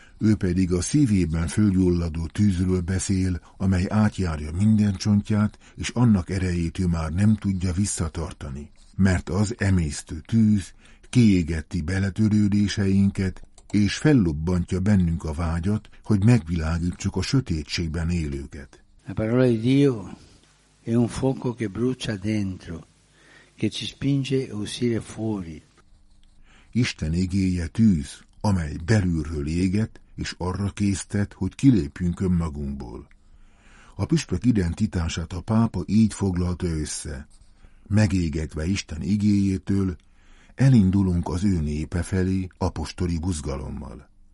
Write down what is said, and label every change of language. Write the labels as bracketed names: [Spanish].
[Hungarian] Ő pedig a szívében fölgyulladó tűzről beszél, amely átjárja minden csontját, és annak erejét ő már nem tudja visszatartani, mert az emésztő tűz kiégeti beletörődéseinket, és fellobbantja bennünk a vágyat, hogy megvilágítsuk a sötétségben élőket. [Italian] La parola di Dio è un fuoco che brucia dentro, che ci spinge a uscire fuori. [Hungarian] Isten igéje tűz, amely belülről éget, és arra késztet, hogy kilépjünk önmagunkból. A püspök identitását a pápa így foglalta össze. Megégetve Isten igéjétől, elindulunk az ő népe felé apostoli buzgalommal.